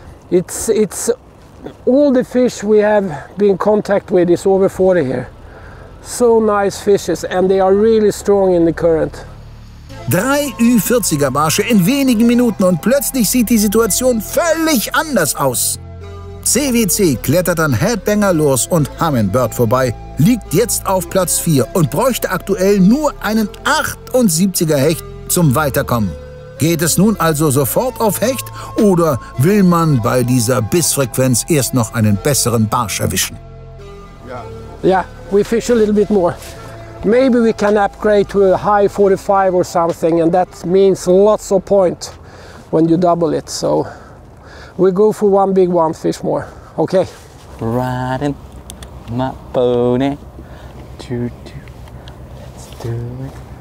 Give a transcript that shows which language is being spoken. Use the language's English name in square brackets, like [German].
[English] It's all the fish we have been in contact with is over 40 here. So nice fishes and they are really strong in the current. [German] 3 Ü40er Barsche in wenigen Minuten und plötzlich sieht die Situation völlig anders aus. CWC klettert an Headbanger los und Hummingbird vorbei, liegt jetzt auf Platz 4 und bräuchte aktuell nur einen 78er Hecht zum Weiterkommen. Geht es nun also sofort auf Hecht oder will man bei dieser Bissfrequenz erst noch einen besseren Barsch erwischen? [English] Yeah, we fish a little bit more. Maybe we can upgrade to a high 45 or something, and that means lots of point when you double it. So we go for one big one fish more. Okay. Riding my pony. Let's do it.